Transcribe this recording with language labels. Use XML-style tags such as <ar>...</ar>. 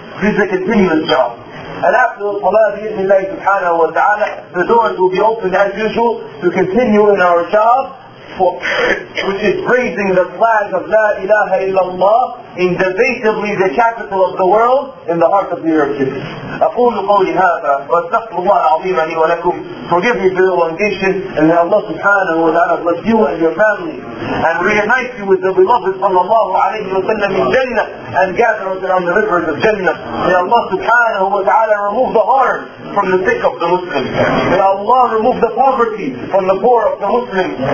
<en>This is a continuous job. And after the salah, bi-ithnillahi subhanahu wa ta'ala, the doors will be opened as usual to continue in our job, which is raising the flag of La ilaha illallah in debatably the capital of the world in the heart of New York City.</en> <ar>أقول قولي هذا وأستغفر الله العظيم لي ولكم.</ar> <en>Forgive me for the elongation, and may Allah subhanahu wa ta'ala bless you and your family and reunite you with the beloved sallallahu alayhi wa sallam in Jannah and gather us around the rivers of Jannah. May Allah subhanahu wa ta'ala remove the harm from the sick of the Muslims. May Allah remove the poverty from the poor of the Muslims.</en>